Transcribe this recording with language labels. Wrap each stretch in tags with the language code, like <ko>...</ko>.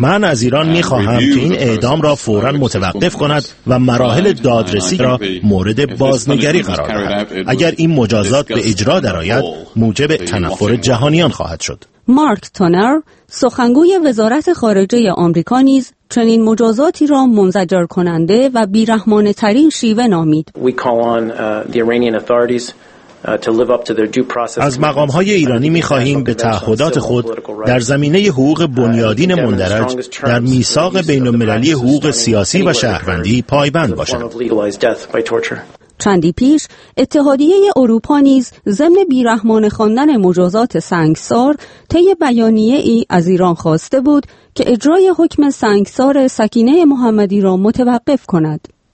<fa>من از ایران می‌خواهم که این اعدام را فوراً متوقف کند و مراحل دادرسی را مورد بازنگری قرار دهد. اگر این مجازات به اجرا درآید، موجب تنفر جهانیان خواهد شد. مارک تونر، سخنگوی وزارت خارجه آمریکا، نیز چنین مجازاتی را منزجر کننده و بی‌رحمانه ترین شیوه نامید.</fa> <en>We call on the Iranian authorities to live up to their due process.</en> <fa>از مقام‌های ایرانی می‌خواهیم به تعهدات خود در زمینه حقوق بنیادین مندرج در میثاق بین‌المللی حقوق سیاسی و شهروندی پایبند باشند. چندی پیش اتحادیه اروپا نیز ضمن بی‌رحمانه خواندن مجازات سنگسار، طی بیانیه‌ای از ایران خواسته بود که اجرای حکم سنگسار سکینه محمدی را متوقف کند.</fa>